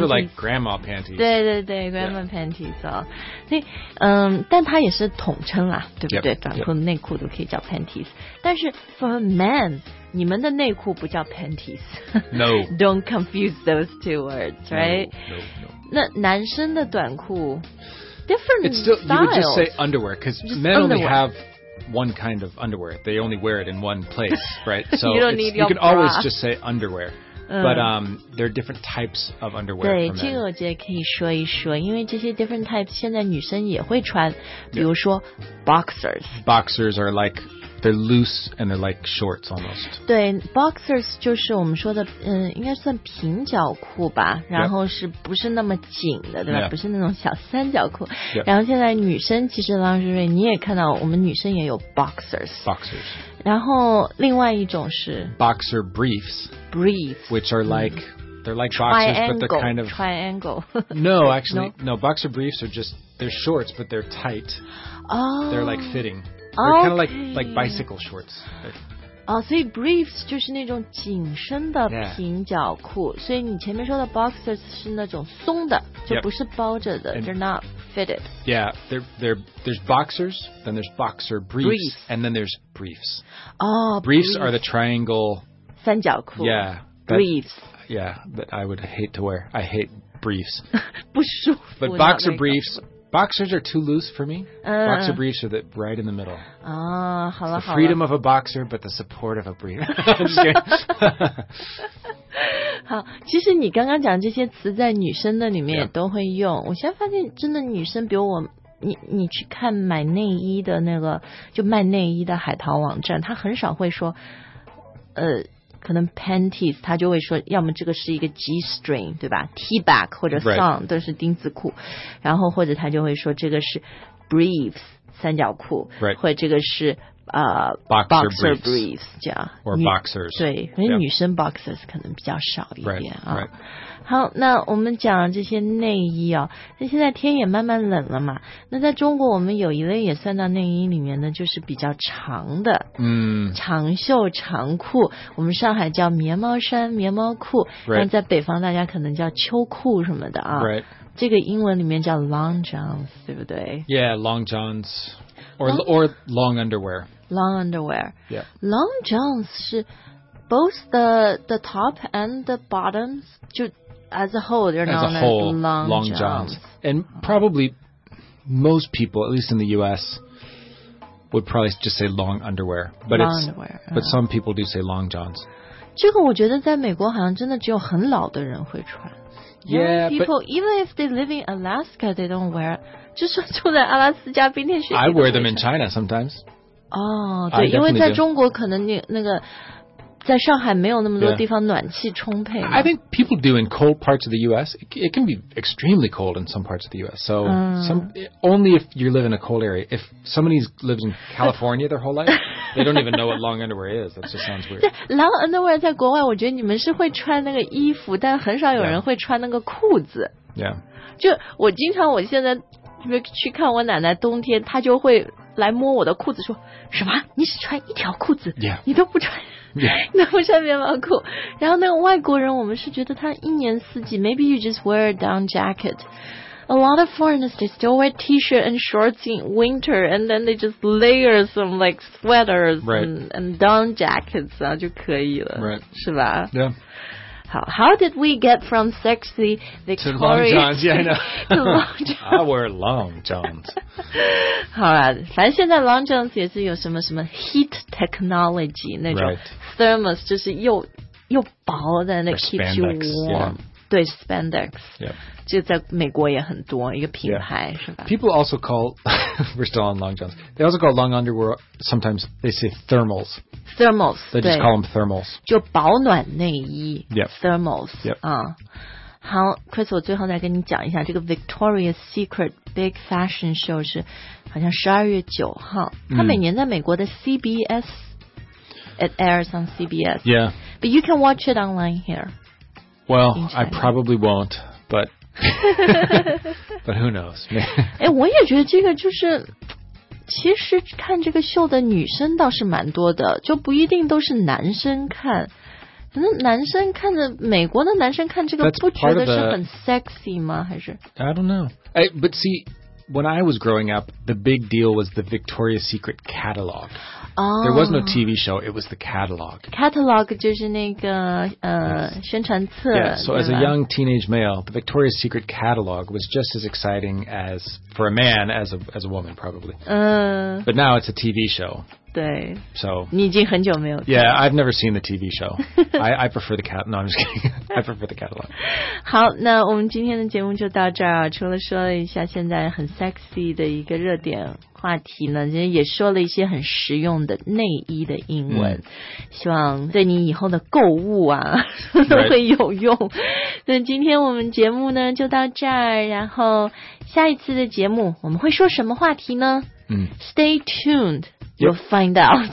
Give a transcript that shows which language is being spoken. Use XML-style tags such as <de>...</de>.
<en>Those are like grandma panties.</en> <zh>对对对 ,grandma panties. 所以但它也是统称啦对不对短裤内裤都可以叫 panties. 但是</zh> <en>for a man,</en> <zh>你们的内裤不叫 panties.</zh> <en>No. Don't confuse those two words, right? No, no, no.</en> <zh>那男生的短裤 different</zh> <en>it's still, styles. You would just say underwear, because men only have... one kind of underwear. They only wear it in one place, right? So you don't need your you can bra. Always just say underwear. But there are different types of underwear.</en> <zh>对，这个我觉得可以说一说，因为这些 different types 现在女生也会穿，比如说 boxers.</zh> <en>Boxers are like, they're loose and they're like shorts almost.</en> <zh>对 ,boxers 就是我们说的应该算平角裤吧，然后是不是那么紧的对吧、</zh> <en>yeah.</en> <zh>不是那种小三角裤。</zh> <en>Yeah.</en> <zh>然后现在女生其实郎瑞瑞你也看到我们女生也有 boxers。</zh> <en>Boxers。</en> <zh>然后另外一种是</zh> <en>boxer briefs. Briefs. Which are like,they're like boxers, triangle, but they're kind of... Triangle. No, actually, no. Boxer briefs are just, they're shorts, but they're tight. Oh. They're like fitting. They're、 okay. kind of like bicycle shorts.</en> <zh>So briefs 就是那种紧身的平角裤、</zh> <en>yeah.</en> <zh>所以你前面说的 boxers 是那种松的就不是包着的、</zh> <en>yep. They're not fitted. Yeah, there's boxers, then there's boxer briefs, and then there's briefs. Oh, briefs are the triangle...</en> <zh>三角裤</zh> <en>Yeah. Briefs. Yeah, that I would hate to wear. I hate briefs.</en> <zh>不舒服。</zh> <en>But boxer briefs, boxers are too loose for me.、Boxer briefs are right in the middle.</en> <zh>Ah, 好了</zh> <en>The freedom of a boxer, but the support of a brief. <Just kidding.</en> <zh>笑> 好，其实你刚刚讲这些词在女生的里面也都会用。</zh> <en>Yeah.</en> <zh>我现在发现真的女生，比如我，你去看买内衣的那个，就卖内衣的海淘网站，她很少会说，可能 panties 他就会说要么这个是一个 g-string 对吧 t-back 或者 thong、</zh> <en>right.</en> <zh>都是丁字裤然后或者他就会说这个是 briefs 三角裤、</zh> <en>right.</en> <zh>或者这个是、</zh> <en>boxer</en> <zh>briefs 这样</zh> <en>or boxers</en> <zh>对因为女生 boxers 可能比较少一点、</zh> <en>right. 啊 right.</en> <zh>好那我们讲这些内衣啊、哦、现在天也慢慢冷了嘛那在中国我们有一类也算到内衣里面的就是比较长的长袖长裤我们上海叫棉毛衫棉毛裤、</zh> <en>right.</en> <zh>但在北方大家可能叫秋裤什么的啊、</zh> <en>right.</en> <zh>这个英文里面叫 long johns 对不对</zh> <en>yeah long johns or long underwear long underwear yeah long johns 是 both the top and the bottoms 就 as a whole they're not as a whole, long johns and probably most people at least in the US would probably just say long underwear but long it's underwear,、 but some people do say long johns</en> <zh>这个我觉得在美国好像真的只有很老的人会穿</zh> <en>yeah people, but even if they live in Alaska they don't wear</en> <zh>就是住在阿拉斯加冰天雪地</zh> <en>I wear them in China sometimes</en> <zh>哦，对，因为在中国可能那个，在上海没有那么多地方暖气充沛。</zh> <en>I think people do in cold parts of the U.S. It can be extremely cold in some parts of the U.S. So some only if you live in a cold area. If somebody's lived in California their whole life, they don't even know what long underwear is. That just sounds weird.</en> <zh>Long underwear 在国外，我觉得你们是会穿那个衣服，但很少有人会穿那个裤子。</zh> <en>Yeah.</en> <zh>就我经常我现在去看我奶奶，冬天她就会。来摸我的裤子说什么你只穿一条裤子、</zh> <en>yeah.</en> <zh>你都不穿、</zh> <en>yeah.</en> <zh>你都不穿棉毛裤然后那个外国人我们是觉得他一年四季</zh> <en>maybe you just wear a down jacket a lot of foreigners they still wear t-shirt and shorts in winter and then they just layer some like sweaters、 right. and down jackets、</en> <zh>啊、就可以了、</zh> <en>right.</en> <zh>是吧、</zh> <en>yeah. 好 how did we get from sexy Victoria to long johns yeah I know to long I wear long johns</en> <zh>好啦反正现在 long johns 也是有什么什么</zh> <en>heat technology</en> <zh>那种 thermos 就是又薄的那 keeps you warm、</zh> <en>yeah.</en> <zh>对 spandex、</zh> <en>yeah.</en> <zh>就在美国也很多一个品牌、</zh> <en>yeah.</en> <zh>是吧</zh> <en>people also call we're still on long johns they also call long underwear sometimes they say thermals thermals they just call them thermals</en> <zh>就保暖内衣、</zh> <en>yep. thermals、 yep.</en> <zh>好 Chris 我最后再跟你讲一下这个 Victoria's Secret Big Fashion Show 是好像12月9号它每年在美国的 CBS</zh> <en>It airs on CBS Yeah But you can watch it online here Well I probably won't But But who knows</en> <zh>诶我也觉得这个就是其实看这个秀的女生倒是蛮多的就不一定都是男生看男生看着美国的男生看这个不觉得是很 sexy 吗还是</zh> <en>I don't know but see when I was growing up the big deal was the Victoria's Secret catalog、 oh, there was no TV show it was the catalog</en> <zh>catalog 就是那个、</zh> <en>yes.</en> <zh>宣传册</zh> <en>yeah, so as a young teenage male the Victoria's Secret catalog was just as exciting as for a man as a woman probably、but now it's a TV show</en> <zh>对</zh> <en>so,</en> <zh>你已经很久没有</zh> <en>Yeah, I've never seen the TV show I prefer the cat No, I'm just kidding I prefer the catalog</en> <zh>好那我们今天的节目就到这儿除了说了一下现在很 sexy 的一个热点话题呢今天也说了一些很实用的内衣的英文、希望对你以后的购物啊都会有用、</zh> <en>right.</en> <zh>那今天我们节目呢就到这儿然后下一次的节目我们会说什么话题呢、</zh> <en>Stay tuned You'll find out.</en>